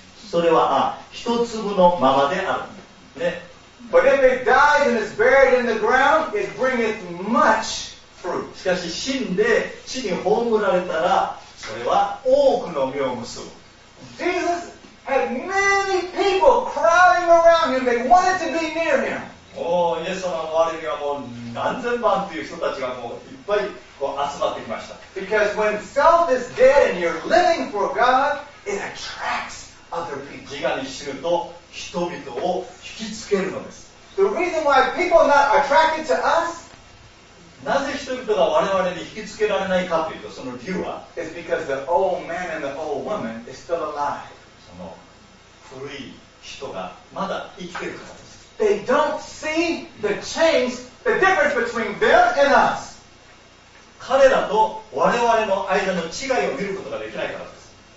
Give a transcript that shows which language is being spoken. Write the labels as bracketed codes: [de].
[ja] それは一粒のままである。ね。 [en] But if it dies and it's buried in the ground, it bringeth much. [ja] しかし死んで地に葬られたらそれは多くの実を結ぶ。 [en] Jesus had many people crowding around him. They wanted to be near him. [ja] もうイエス様の周りにはもう何千万という人たちがもういっぱいこう集まってきました。 [en] Because when self is dead and you're living for God, it attracts other people. [ja] 自我に死ぬと人々を引きつけるのです。 [en] The reason why people are not attracted to us. [ja] なぜ人々が我々に引きつけられないかというと、その理由は、 [en] It's because the old man and the old woman is still alive. [ja] その古い人がまだ生きているからです。 [en] They don't see the change, the difference between them and us. [ja] 彼らと我々の間の違いを見ることができないからです。